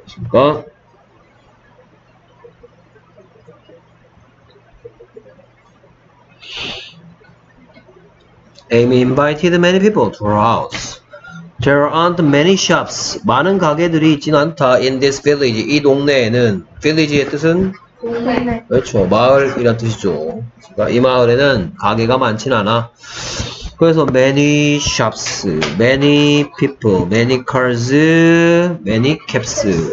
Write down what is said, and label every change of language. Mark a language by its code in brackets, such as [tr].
[en] 그러니까 Amy invited many people to her house. There aren't many shops. [ko] 많은 가게들이 있진 않다. [en] In this village. [ko] 이 동네에는 village의 뜻은 동네. 그렇죠. 마을이란 뜻이죠. 그러니까 이 마을에는 가게가 많진 않아. [en] 그래서 many shops, many people, many cars, many caps.